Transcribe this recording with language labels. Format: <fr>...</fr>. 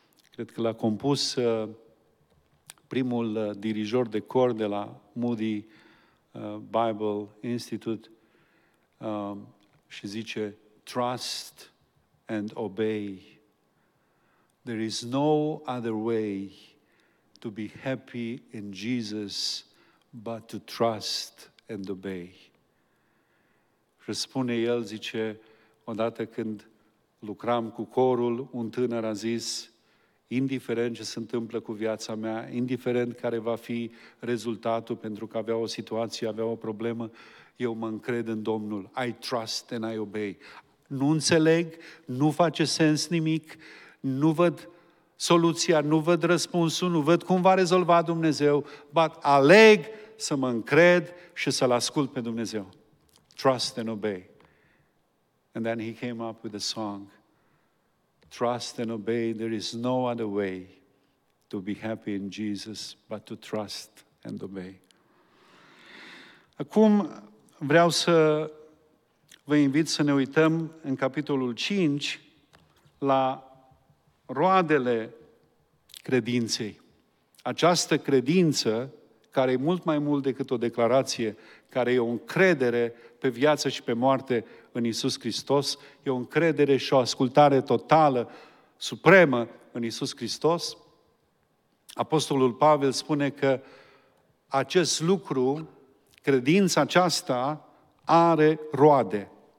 <ro>Cred că l-a compus primul dirijor de cor de la Moody Bible Institute și zice:</ro> <en>Trust and obey. There is no other way to be happy in Jesus but to trust and obey.</en> <ro>Răspune el, zice, odată când lucram cu corul, un tânăr a zis: indiferent ce se întâmplă cu viața mea, indiferent care va fi rezultatul, pentru că avea o situație, avea o problemă, eu mă încred în Domnul.</ro> <en>I trust and I obey.</en> <ro>Nu înțeleg, nu face sens nimic, nu văd soluția, nu văd răspunsul, nu văd cum va rezolva Dumnezeu, but aleg să mă încred și să-L ascult pe Dumnezeu.</ro> <en>Trust and obey. And then he came up with a song. Trust and obey, there is no other way to be happy in Jesus but to trust and obey.</en> <ro>Acum vreau să vă invit să ne uităm în capitolul 5 la roadele credinței. Această credință, care e mult mai mult decât o declarație, care e o încredere pe viață și pe moarte în Iisus Hristos, e o încredere și o ascultare totală, supremă în Iisus Hristos, Apostolul Pavel spune că acest lucru, credința aceasta, are roade.</ro>